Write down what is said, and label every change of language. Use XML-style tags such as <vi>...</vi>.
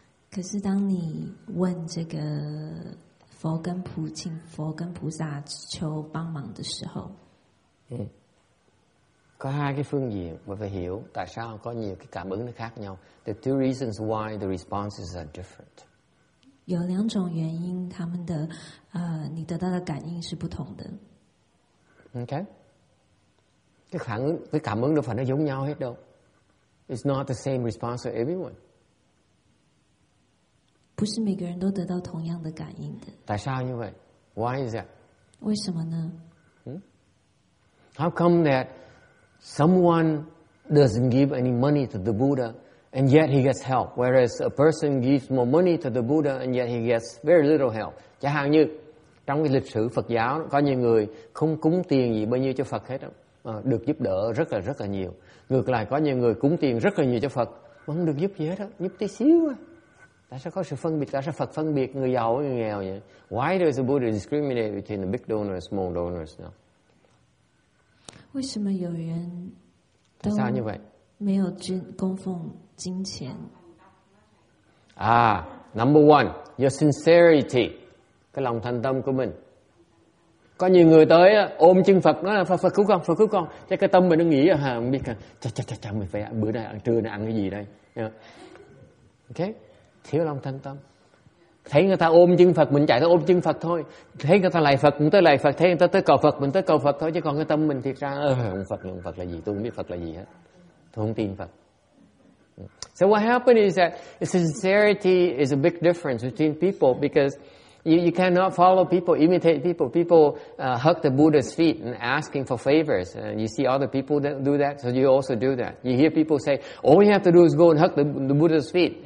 <zh>可是当你问这个佛跟菩萨，请佛跟菩萨求帮忙的时候，</zh> <vi>có hai cái phương diện mà phải hiểu tại sao có nhiều cái cảm ứng nó khác nhau.</vi> <en>The two reasons why the responses are different.</en> <zh>有两种原因，他们的你得到的感应是不同的。</zh> <en>Okay.</en> <vi>Cái phản ứng, cái cảm ứng đâu phải nó giống nhau hết đâu.</vi> <en>It's not the same response for everyone.</en> <zh>不是每个人都得到同样的感应的。</zh> <vi>Tại sao như vậy?</vi> <en>Why is that?</en> <zh>为什么呢?</zh> <en>How come that someone doesn't give any money to the Buddha and yet he gets help, whereas a person gives more money to the Buddha and yet he gets very little help?</en> <vi>Chẳng hạn như trong cái lịch sử Phật giáo có nhiều người không cúng tiền gì bao nhiêu cho Phật hết, được giúp đỡ rất là nhiều. Ngược lại có nhiều người cúng tiền rất là nhiều cho Phật mà không được giúp gì hết, giúp tí xíu à. Tại sao có sự phân biệt, tại sao Phật phân biệt người giàu với người nghèo vậy?</vi> <en>Why does the Buddha discriminate between the big donors, small donors? No? Number one, your sincerity.</en> <vi>Cái lòng thành tâm của mình. Có nhiều người tới ôm chân Phật, nói là Phật cứu con, Phật cứu con. Chắc cái tâm mình nó nghĩ, không biết, chắc mình phải ăn bữa nay, ăn trưa này ăn cái gì đây. Ok? Thiếu lòng thanh tâm. Thấy người ta ôm chân Phật, mình chạy tới ôm chân Phật thôi. Thấy người ta lạy Phật, mình tới lạy Phật. Thấy người ta tới cầu Phật, mình tới cầu Phật thôi. Chứ còn cái tâm mình thiệt ra, ông Phật là gì, tôi không biết Phật là gì hết. Tôi không tin Phật.</vi> <en>So what happened is that sincerity is a big difference between people, because you cannot follow people, imitate people. People hug the Buddha's feet and asking for favors. You see other people that do that, so you also do that. You hear people say, all you have to do is go and hug the Buddha's feet.</en>